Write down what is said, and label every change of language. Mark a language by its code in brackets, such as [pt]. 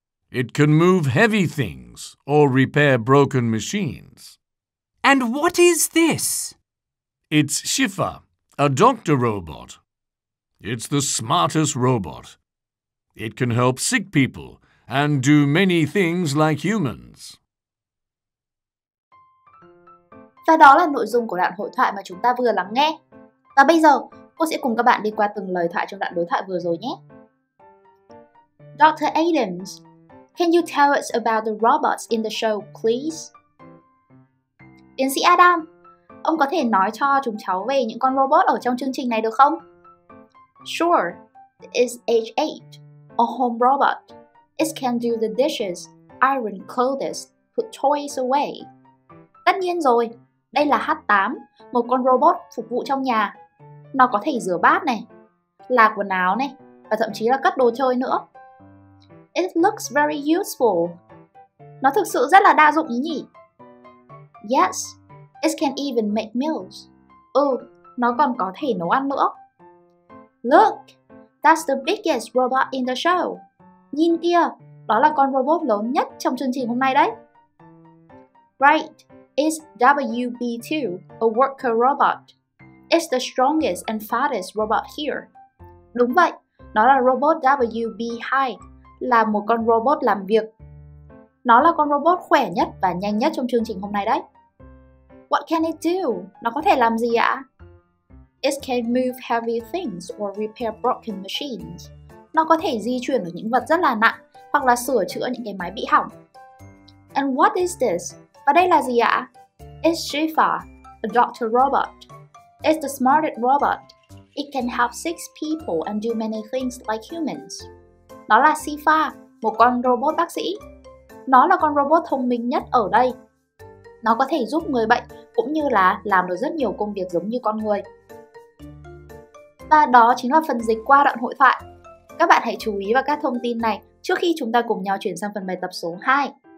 [en] It can move heavy things or repair broken machines. And what is this? It's Shifa, a doctor robot. It's the smartest robot. It can help sick people and do many things like humans. [vi] Và đó là nội dung của đoạn hội thoại mà chúng ta vừa lắng nghe. Và bây giờ, cô sẽ cùng các bạn đi qua từng lời thoại trong đoạn đối thoại vừa rồi nhé. [en] Dr. Adams, can you tell us about the robots in the show, please? [vi] Tiến sĩ Adam, ông có thể nói cho chúng cháu về những con robot ở trong chương trình này được không? [en] Sure, it's H8, a home robot. It can do the dishes, iron clothes, put toys away. [vi] Tất nhiên rồi, đây là H8, một con robot phục vụ trong nhà. Nó có thể rửa bát này, là quần áo này, và thậm chí là cất đồ chơi nữa. [en] It looks very useful. [vi] Nó thực sự rất là đa dụng ý nhỉ? [en] Yes, it can even make meals. [vi] Ừ, nó còn có thể nấu ăn nữa. [en] Look, that's the biggest robot in the show. [vi] Nhìn kìa, đó là con robot lớn nhất trong chương trình hôm nay đấy. [en] Right. It's WB2, a worker robot. It's the strongest and fastest robot here. [vi] Đúng vậy, nó là robot WB2, là một con robot làm việc. Nó là con robot khỏe nhất và nhanh nhất trong chương trình hôm nay đấy. [en] What can it do? [vi] Nó có thể làm gì ạ? [en] It can move heavy things or repair broken machines. [vi] Nó có thể di chuyển được những vật rất là nặng hoặc là sửa chữa những cái máy bị hỏng. [en] And what is this? [vi] Và đây là gì ạ? [en] It's Shifa, a doctor robot. It's the smartest robot. It can help six people and do many things like humans. [vi] Nó là Shifa, một con robot bác sĩ. Nó là con robot thông minh nhất ở đây. Nó có thể giúp người bệnh cũng như là làm được rất nhiều công việc giống như con người. Và đó chính là phần dịch qua đoạn hội thoại. Các bạn hãy chú ý vào các thông tin này trước khi chúng ta cùng nhau chuyển sang phần bài tập số 2.